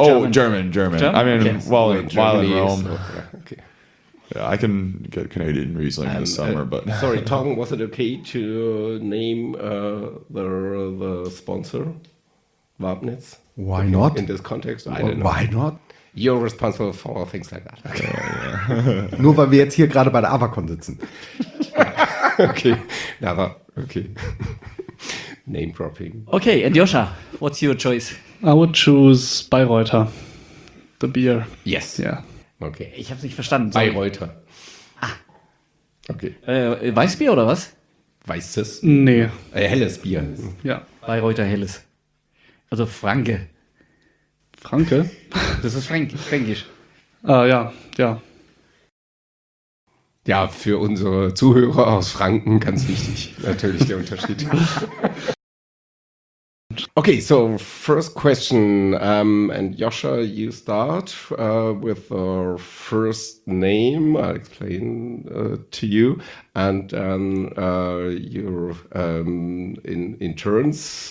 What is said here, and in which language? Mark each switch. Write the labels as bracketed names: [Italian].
[English] Oh, German. I mean, okay. while in Rome. Yeah, I can get Canadian Riesling this summer, but... Sorry, Tom, was it okay to name the sponsor, Wapnitz? Why not? In this context, I don't know. Why not? You're responsible for things like that. Okay. [German] Nur weil wir jetzt hier gerade bei der Avacon sitzen. [English] Okay, never. Okay. Name dropping. Okay, and Joscha, what's your choice? I would choose Bayreuther, the beer. Yes. Yeah. Okay. [German] Ich habe es nicht verstanden. [English] Sorry. Bayreuther. Ah. Okay. [German] Weißbier oder was? Weißes? Nee. Helles Bier. Ja. Bayreuther Helles. Also Franke. Franke? Das ist Fränkisch. Ja. Ja, für unsere Zuhörer aus Franken ganz wichtig. Natürlich der Unterschied. [English] Okay, so first question, and Joscha, you start with our first name. I'll explain to you, and then your in turns.